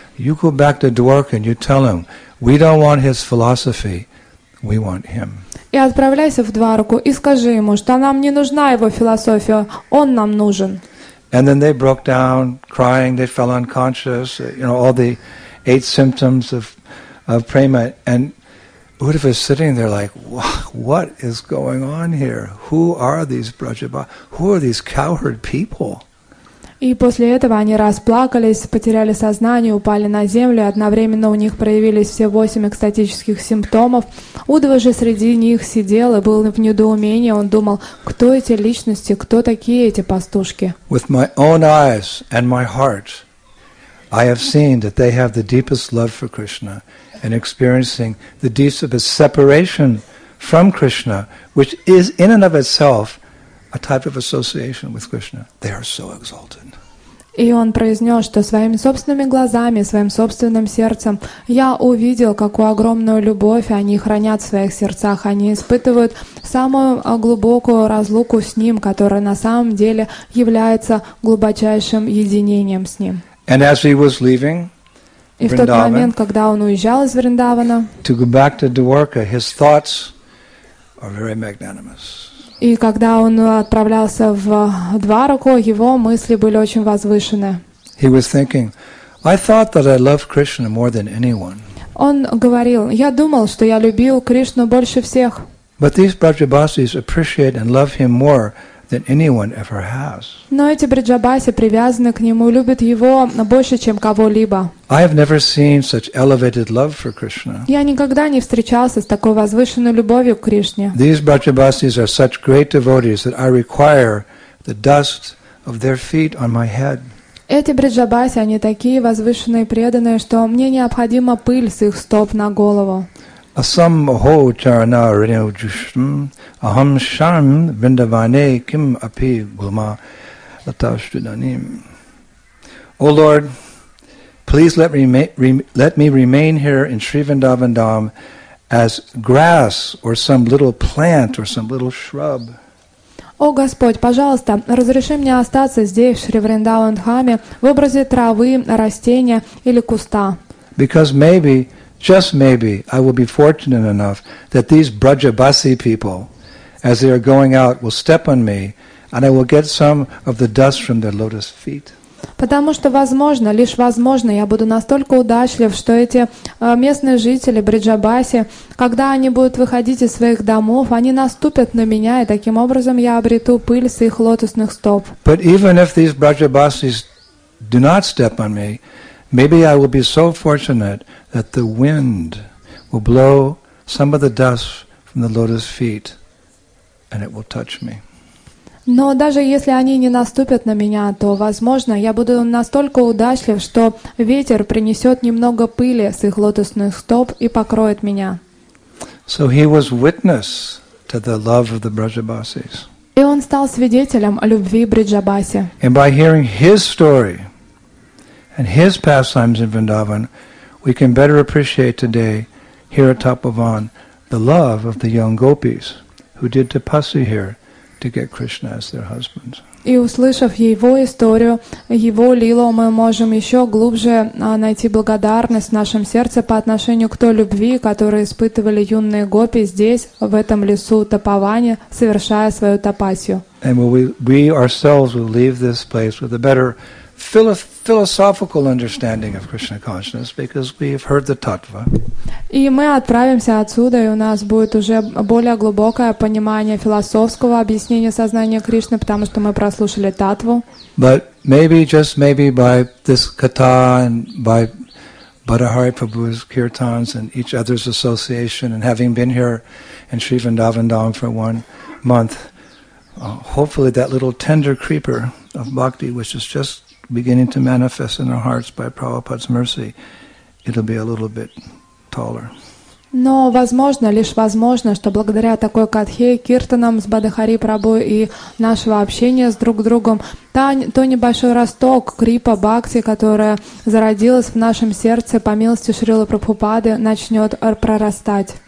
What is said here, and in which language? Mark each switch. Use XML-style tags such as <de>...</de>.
<en>You go back to Dwarka and you tell him, we don't want his philosophy, we want him.</en> <ru>И отправляйся в Дварку и скажи ему, что нам не нужна его философия, он нам нужен.</ru> <en>And then they broke down, crying, they fell unconscious, you know, all the 8 symptoms of prema. And Uddhava is sitting there like, what is going on here? Who are these Brajabha? Who are these cowherd people?</en> <ru>И после этого они расплакались, потеряли сознание, упали на землю, одновременно у них проявились все 8 экстатических симптомов. Удва же среди них сидел и был в недоумении. Он думал, кто эти личности, кто такие эти пастушки?</ru> <en>With my own eyes and my heart, I have seen that they have the deepest love for Krishna and experiencing the deepest separation from Krishna, which is in and of itself a type of association with Krishna. They are so exalted.</en> <ru>И он произнес, что своими собственными глазами, своим собственным сердцем я увидел, какую огромную любовь они хранят в своих сердцах. Они испытывают самую глубокую разлуку с Ним, которая на самом деле является глубочайшим единением с Ним.</ru> <en>And as he was leaving,</en> <ru>и в тот момент, когда он уезжал из Вриндавана,</ru> <en>to go back to Dwarka, his thoughts are very magnanimous.</en> <ru>И когда он отправлялся в Двараку, его мысли были очень возвышены.</ru> <en>He was thinking, I thought that I loved Krishna more than anyone.</en> <ru>Он говорил, я думал, что я любил Кришну больше всех.</ru> <en>But these Brajabasis appreciate and love him more than anyone ever has.</en> <ru>Но эти Бриджабаси привязаны к нему, любят его больше, чем кого-либо.</ru> <en>I have never seen such elevated love for Krishna.</en> <ru>Я никогда не встречался с такой возвышенной любовью к Кришне.</ru> <en>These Brajabasis are such great devotees that I require the dust of their feet on my head.</en> <ru>Эти Бриджабаси, они такие возвышенные преданные, что мне необходима пыль с их стоп на голову.</ru> <sa>Asam ho charana rinu jushtam aham sham vrindavane kim api guma atashtudanim.</sa> <en>O Lord, please let me remain here in Sri Vrindavan Dham as grass or some little plant or some little shrub.</en> <ru>О Господь, пожалуйста, разреши мне остаться здесь, в Шри Вриндаван Дхаме, в образе травы, растения или куста.</ru> <en>Because maybe, just maybe, I will be fortunate enough that these Brajabasi people, as they are going out, will step on me, and I will get some of the dust from their lotus feet.</en> <ru>Потому что возможно, лишь возможно, я буду настолько удачлив, что эти местные жители Бриджабаси, когда они будут выходить из своих домов, они наступят на меня, и таким образом я обрету пыль с их лотосных стоп.</ru> <en>But even if these Brajabasis do not step on me, maybe I will be so fortunate that the wind will blow some of the dust from the lotus feet and it will touch me.</en> <ru>Но даже если они не наступят на меня, то, возможно, я буду настолько удачлив, что ветер принесет немного пыли с их лотосных стоп и покроет меня.</ru> <en>So he was witness to the love of the Brajabasis.</en> <ru>И он стал свидетелем любви Бриджабаси.</ru> <en>And by hearing his story and his pastimes in Vrindavan, we can better appreciate today here at Tapovan the love of the young gopis who did tapasya here to get Krishna as their husband.</en> <ru>И услышав его историю, его лилу, мы можем еще глубже найти благодарность в нашем сердце по отношению к той любви, которую испытывали юные гопи здесь, в этом лесу Тапаване, совершая свою тапасью.</ru> <en>And we ourselves will leave this place with a better philosophical understanding of Krishna consciousness because we have heard the tattva.</en> <ru>И мы отправимся отсюда, и у нас будет уже более глубокое понимание философского объяснения сознания Кришны, потому что мы прослушали таттву.</ru> <en>But maybe, just maybe, by this katha and by Badahari Prabhu's kirtans and each other's association and having been here in Sri Vrindavan Dham for 1 month, hopefully that little tender creeper of bhakti, which is just beginning to manifest in our hearts by Prabhupada's mercy, it'll be a little bit taller.</en> <ru>Но возможно, лишь возможно, что благодаря такой катхе, киртанам с Бадахари Прабу и нашего общения с друг другом, то небольшой росток крипа бхакти, которая зародилась в нашем сердце по милости Шрилы Прабхупады, начнет прорастать.</ru>